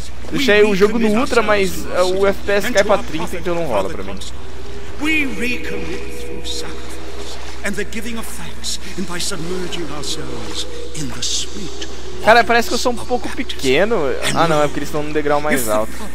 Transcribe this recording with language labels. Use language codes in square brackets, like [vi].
[pt] Deixei o jogo no Ultra, mas o FPS cai pra 30, então não rola pra mim. [en] We recommit through sacrifice and the giving of thanks and by submerging ourselves in the sweet. [pt] Cara, parece que eu sou um pouco pequeno. Ah não, é porque eles estão num degrau mais alto.